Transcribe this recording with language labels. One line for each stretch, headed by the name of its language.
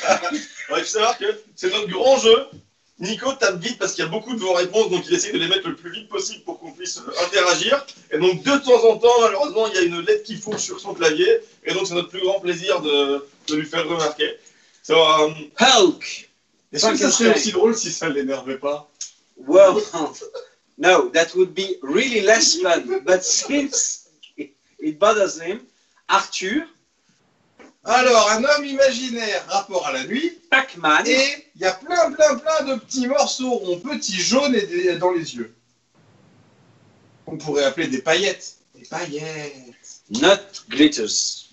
French: Alors, il faut savoir que c'est notre grand jeu. Nico tape vite parce qu'il y a beaucoup de vos réponses, donc il essaie de les mettre le plus vite possible pour qu'on puisse interagir. Et donc, de temps en temps, malheureusement, il y a une lettre qui fonce sur son clavier. Et donc, c'est notre plus grand plaisir de lui faire remarquer.
English: So, Hulk.
French: Est-ce que ça serait aussi drôle si ça ne l'énervait pas?
English: Well, no, that would be really less fun. But since it bothers him, Arthur.
French: Alors, un homme imaginaire, rapport à la nuit. Pac-Man. Et il y a plein de petits morceaux ronds, petits jaunes et dans les yeux. On pourrait appeler des paillettes. Des paillettes.
English: Not glitters.